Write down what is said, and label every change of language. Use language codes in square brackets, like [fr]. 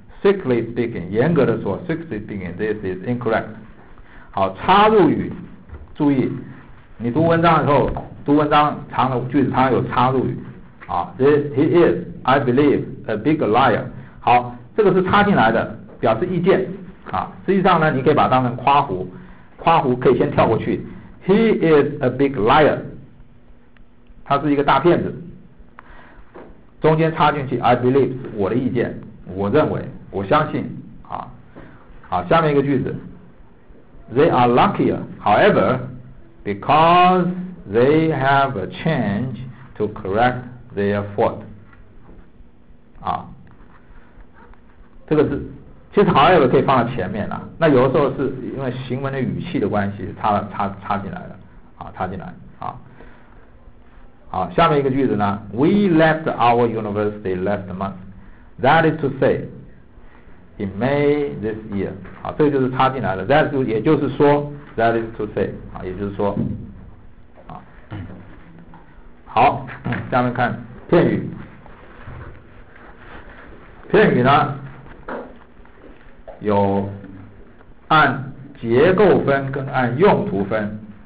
[en] Strictly speaking, [zh] 严格的说 [en] ,strictly speaking, this is incorrect. [zh] 好，插入语，注意，你读文章的时候，读文章长的句子它有插入语。 [en] 啊 ,he is, I believe, a big liar. [zh] 好，这个是插进来的，表示意见。啊，实际上呢，你可以把它当成夸胡，夸胡可以先跳过去。 [en] He is a big liar. [zh] 他是一个大骗子。中间插进去 , [en] I believe, [zh] 我的意见。我认为我相信啊，好，下面一个句子 [en] They are luckier however because they have a change to correct their fault [zh] 啊，这个是其实 however 可以放在前面啦，那有的时候是因为行文的语气的关系插进来的啊，插进来啊。好，下面一个句子呢 [en] We left our university last monthThat is to say, in May this year. [zh] 好，这就是插进来的。That 也就是说 ， [en] That is to say. [zh] 啊，也就是说，啊，好，下面看片语。片语呢，有按结构分跟按用途分。